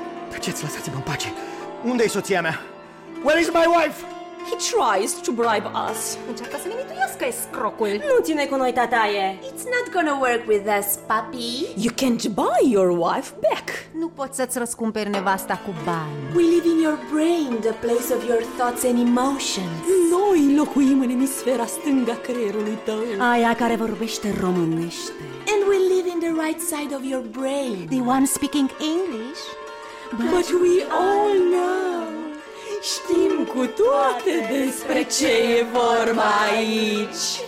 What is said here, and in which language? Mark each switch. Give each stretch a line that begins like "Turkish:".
Romanian: Taceți, lăsați-mă în pace. Unde-i soția mea?
English: Where is my wife? He tries to bribe us.
Romanian: Încearcă să ne mituiască, scrocul. Nu ține cu noi, tataie.
English: It's not gonna work with us, papi. You can't buy your wife back.
Romanian: Nu poți să-ți răscumperi nevasta cu bani.
English: We live in your brain, the place of your thoughts and emotions.
Romanian: Noi locuim în emisfera stângă a creierului tău. Aia care vorbește românește.
English: And we live in the right side of your brain. The one speaking English. But we all know.
Romanian: Știm cu toate despre ce e vorba aici.